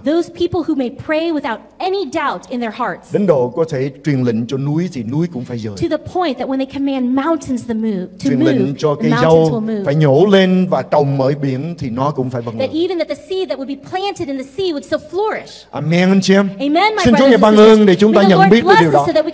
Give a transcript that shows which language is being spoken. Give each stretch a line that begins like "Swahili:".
English: Those people who may pray without any doubt in their hearts.
Vietnamese: Đến độ có thể truyền lệnh cho núi thì núi cũng phải dời.
English: To the point that when they command mountains to move,
Vietnamese: truyền lệnh cho cây dâu phải nhổ lên và trồng ở biển thì nó cũng phải bằng lời.
English: That even that the seed that would be planted in the sea would still flourish.
Vietnamese: Amen, anh chị em.
English: Amen,
Vietnamese: xin Chúa ban ơn để chúng ta nhận biết điều đó.